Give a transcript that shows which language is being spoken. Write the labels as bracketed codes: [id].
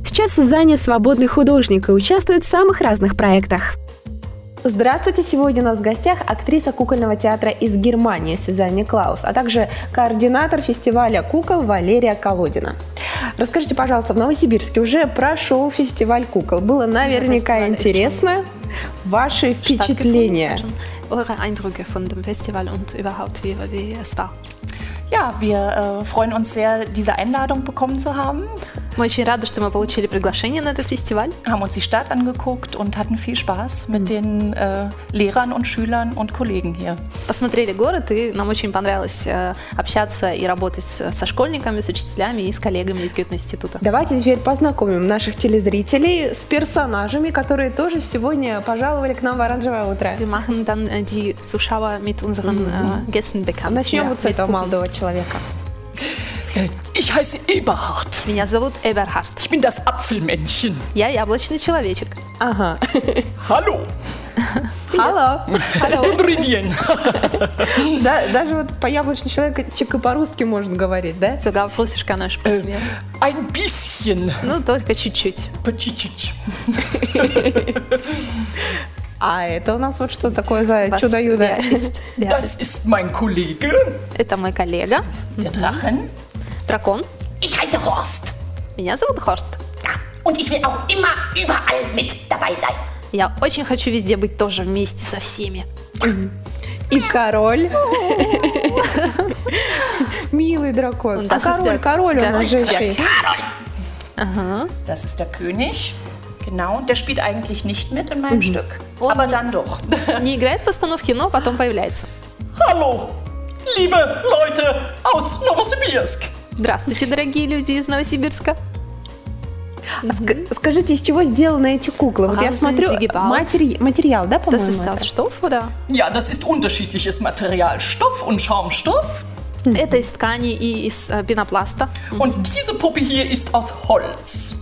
[ru] Сейчас Сюзанне свободный художник и участвует в самых разных проектах. Здравствуйте! Сегодня у нас в гостях актриса кукольного театра из Германии Сюзанне Клаус, а также координатор фестиваля кукол Валерия Колодина. Расскажите, пожалуйста, в Новосибирске уже прошел фестиваль кукол. Было наверняка интересно. Ваши впечатления. [de] Eure Eindrücke von dem Festival und überhaupt wie es war. Ja, wir freuen uns sehr, diese Einladung bekommen zu haben. [ru] Мы очень рады, что мы получили приглашение на этот фестиваль. [de] Haben uns die Stadt angeguckt und hatten viel Spaß mit den Lehrern und Schülern und Kollegen hier. [ru] Посмотрели город, и нам очень понравилось общаться и работать со школьниками, с учителями и с коллегами из Гёте-института. Давайте теперь познакомим наших телезрителей с персонажами, которые тоже сегодня пожаловали к нам в оранжевое утро. [de] Wir machen dann die Zuschauer mit unseren Gästen bekannt. [ru] Начнем вот с этого молодого человека. [de] Ich heiße Eberhard. [ru] Меня зовут Эберхард. [de] Ich bin das Apfelmännchen. [ru] Я яблочный человечек. Ага. [de] Hallo. Hallo. [ru] Добрый день. Да, даже вот по яблочный человечек и по-русски можно говорить, да? [de] Sogar auf Russisch kann ich sprechen. Ein bisschen. [ru] Ну, только чуть-чуть. По чуть-чуть. А это у нас вот что такое за чудо-юдо? [de] Das ist mein Kollege. [ru] Это мой коллега. [de] Der Drachen. [ru] Дракон. [de] Ich heiße Horst. [ru] Меня зовут Хорст. [de] Ja. Und ich will auch immer überall mit dabei sein. [ru] Я очень хочу везде быть тоже вместе со всеми. И король. Милый дракон. А король, король у нас же еще есть. [de] Король. Das ist der König. Genau, der spielt eigentlich nicht mit in meinem Stück, aber dann doch. [ru] Не играет в постановке, но потом появляется. [de] Hallo, liebe Leute aus Novosibirsk. [ru] Здравствуйте, дорогие люди из Новосибирска. Скажите, из чего сделаны эти куклы? Вот я смотрю, материал, да, по-моему? [de] Das ist aus Stoff, oder? Ja, das ist unterschiedliches Material, Stoff und Schaumstoff. [ru] Это из ткани и из пенопласта. [de] Und diese Puppe hier ist aus Holz.